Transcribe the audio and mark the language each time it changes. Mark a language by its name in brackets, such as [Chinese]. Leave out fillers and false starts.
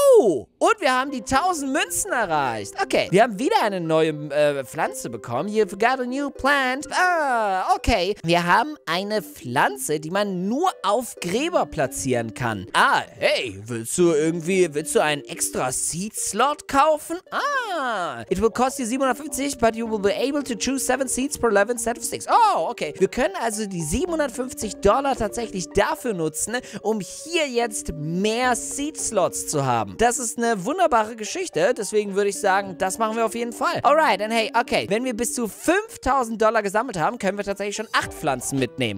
[German] Oh, und wir haben die 1000 Münzen erreicht. Okay. Wir haben wieder eine neue Pflanze bekommen. [English] You've got a new plant. [German] Ah, okay. Wir haben eine Pflanze, die man nur auf Gräber platzieren kann. Ah, hey, willst du einen extra Seed-Slot kaufen? [English] Ah, it will cost you 750, but you will be able to choose 7 seeds per level instead of 6. Oh, okay. [German] Wir können also die $750 tatsächlich dafür nutzen, um hier jetzt mehr Seed-Slots zu haben. Das ist eine wunderbare Geschichte, deswegen würde ich sagen, das machen wir auf jeden Fall. Alright, and hey, okay. Wenn wir bis zu $5000 gesammelt haben, können wir tatsächlich schon 8 Pflanzen mitnehmen.